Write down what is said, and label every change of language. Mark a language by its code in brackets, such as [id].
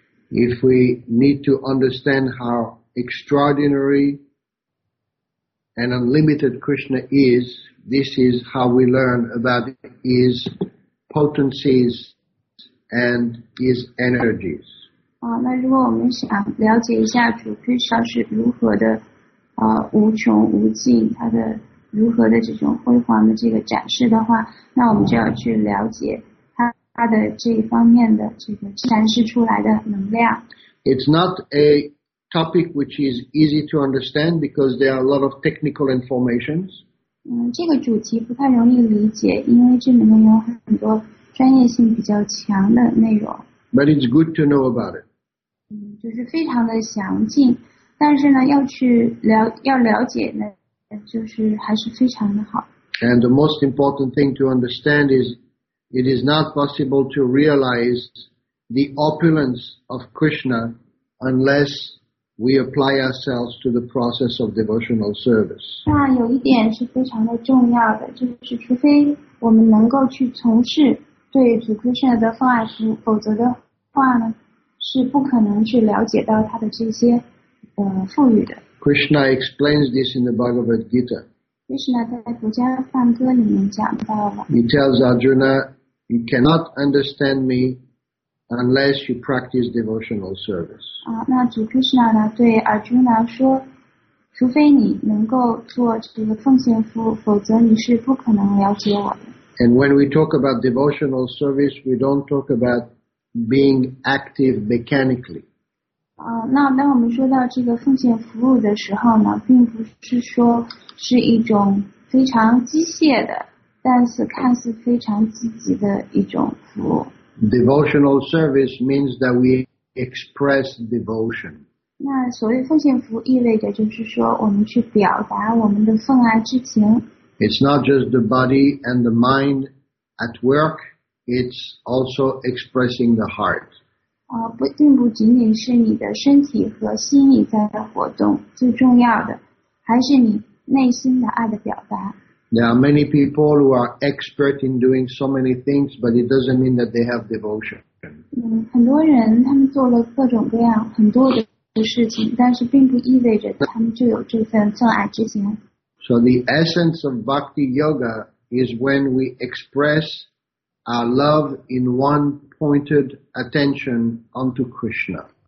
[en] If we need to understand how extraordinary and unlimited Krishna is, this is how we learn about his potencies and his energies. [zh] 那如果我们想了解一下主 Krishna 是如何的无穷无尽，他的如何的这种辉煌的这个展示的话，那我们就要去了解他的这一方面的这个展示出来的能量。 [en] It's not a topic which is easy to understand because there are a lot of technical informations. [zh] 这个主题不太容易理解，因为这里面有很多专业性比较强的内容。 [en] But it's good to know about it. [zh] 就是非常的详尽，但是呢，要了解呢，就是还是非常的好。 [en] And the most important thing to understand is, it is not possible to realize the opulence of Krishna unless we apply ourselves to the process of devotional service. [zh] 那有一点是非常的重要的，就是除非我们能够去从事。对主 Krishna 的奉爱服务，否则的话呢，是不可能去了解到他的这些富裕的。 [en] Krishna explains this in the Bhagavad Gita. [zh] Krishna 在《国家梵歌》里面讲到了。 [en] He tells Arjuna, "You cannot understand me unless you practice devotional service." [zh] 那主 Krishna 呢对 Arjuna 说，除非你能够做这个奉献服务，否则你是不可能了解我的。 [en] And when we talk about devotional service, we don't talk about being active mechanically. [zh] 那当我们说到这个奉献服务的时候呢，并不是说是一种非常机械的，但是看似非常积极的一种服务。 [en] Devotional service means that we express devotion. [zh] 那所谓奉献服务意味着就是说我们去表达我们的奉爱之情。 [en] It's not just the body and the mind at work, it's also expressing the heart. [zh] 并不仅仅是你的身体和心理在活动，最重要的还是你内心的爱的表达。 [en] There are many people who are expert in doing so many things, but it doesn't mean that they have devotion. [zh] 很多人他们做了各种各样很多的事情，但是并不意味着他们就有这份奉爱之心。 [en] So the essence of bhakti yoga is when we express our love in one pointed attention onto Krishna.